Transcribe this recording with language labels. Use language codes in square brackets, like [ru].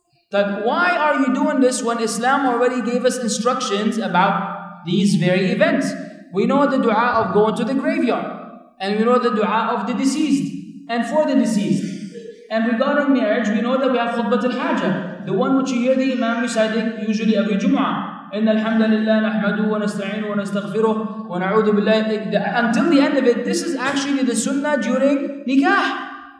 [en] But why are you doing this when Islam already gave us instructions about these very events? We know the dua of going to the graveyard. And we know the dua of the deceased and for the deceased. And regarding marriage, we know that we have khutbat al-hajah, the one which you hear the imam reciting usually every Jum'ah. [ar] إن الحمد لله نحمده ونستعينه ونستغفره ونعوذ بالله. [en] Until the end of it, this is actually the sunnah during nikah.